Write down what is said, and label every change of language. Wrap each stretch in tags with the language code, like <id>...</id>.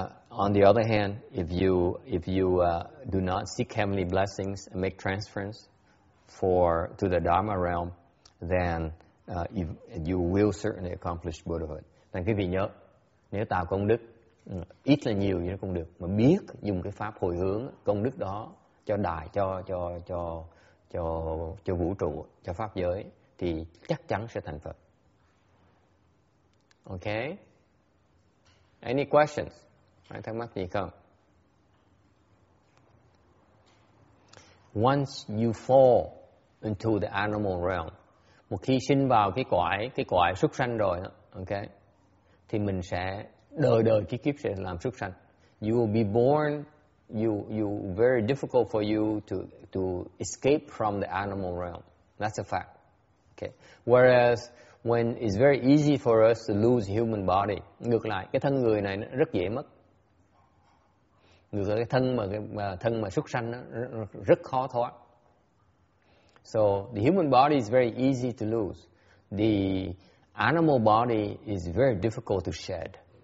<en>On the other hand, if you do not seek heavenly blessings and make transference to the Dharma realm, then you will certainly accomplish Buddhahood.</en> <vi>Nên quý vị nhớ, nếu tạo công đức ít là nhiều nó cũng được, mà biết dùng cái pháp hồi hướng công đức đó cho đại cho vũ trụ, cho pháp giới, thì chắc chắn sẽ thành Phật.</vi> <en>Okay. Any questions?</en> <vi>Ai thắc mắc gì không?</vi> <en>Once you fall into the animal realm,</en> <vi>một khi sinh vào cái quả súc sanh rồi, okay, thì mình sẽ đời đời cái kiếp sẽ làm súc sanh.</vi> <en>You will be born, you very difficult for you to escape from the animal realm. That's a fact. Okay. Whereas when it's very easy for us to lose human body,</en> <vi>ngược lại cái thân người này nó rất dễ mất. Ngược lại cái thân mà súc sanh nó rất khó thoát.</vi> <en>So the human body is very easy to lose. The animal body is very difficult to shed.</en>